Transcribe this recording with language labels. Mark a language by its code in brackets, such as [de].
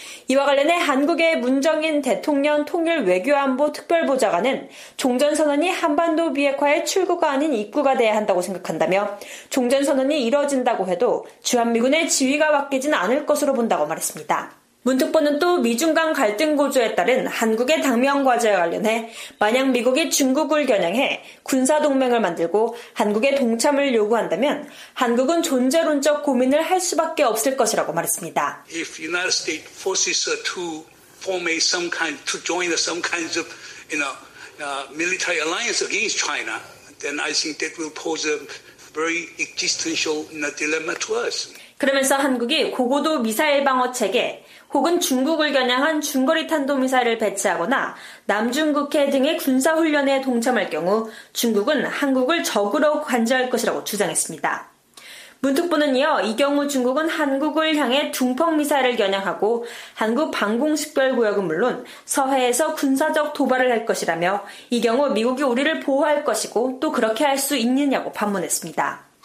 [ko] 이와 관련해 한국의 문정인 대통령 통일 외교안보 특별보좌관은 종전선언이 한반도 비핵화의 출구가 아닌 입구가 돼야 한다고 생각한다며 종전선언이 이뤄진다고 해도 주한미군의 지위가 바뀌진 않을 것으로 본다고 말했습니다. 문 특보는 또 미중 간 갈등 고조에 따른 한국의 당면 과제와 관련해 만약 미국이 중국을 겨냥해 군사동맹을 만들고 한국의 동참을 요구한다면 한국은 존재론적 고민을 할 수밖에 없을 것이라고 말했습니다. [en] If the United States forces us to form a some kind, to join some kinds of you know, military alliance against China, then I think that will pose a very existential dilemma to us. [ko] 그러면서 한국이 고고도 미사일 방어 체계 혹은 중국을 겨냥한 중거리 탄도미사일을 배치하거나 남중국해 등의 군사훈련에 동참할 경우 중국은 한국을 적으로 관제할 것이라고 주장했습니다. 문특보는 이어 이 경우 중국은 한국을 향해 둥펑미사일을 겨냥하고 한국 방공식별구역은 물론 서해에서 군사적 도발을 할 것이라며 이 경우 미국이 우리를 보호할 것이고 또 그렇게 할 수 있느냐고 반문했습니다.